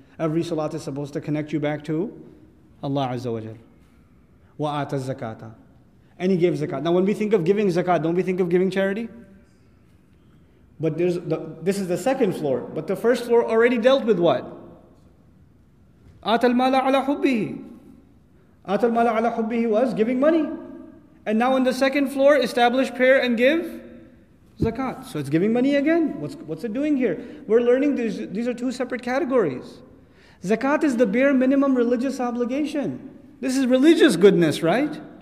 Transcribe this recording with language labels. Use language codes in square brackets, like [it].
[en] Every salat is supposed to connect you back to Allah Azza wa Jal. [ar] وَآتَ الزَّكَاةَ, [en] and he gave zakat. Now when we think of giving zakat, don't we think of giving charity? But this is the second floor, but the first floor already dealt with what? [ar] آتَ الْمَالَ عَلَى حُبِّهِ. آتَ الْمَالَ عَلَى حُبِّهِ [en] was giving money. And now on the second floor, establish prayer and give zakat. So it's giving money again. What's it doing here? We're learning these are two separate categories. Zakat is the bare minimum religious obligation. This is religious goodness, right?